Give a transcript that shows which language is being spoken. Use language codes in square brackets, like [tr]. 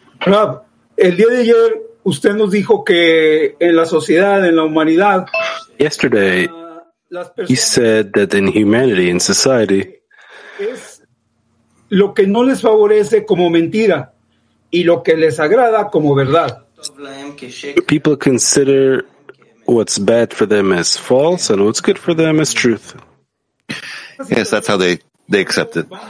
[es] Rab, el día de ayer usted nos dijo que en la sociedad, en la humanidad. [en] Yesterday, he said that in humanity, in society, [es] es lo que no les favorece como mentira y lo que les agrada como verdad. [en] People consider what's bad for them as false and what's good for them as truth. Yes, that's how they accept it.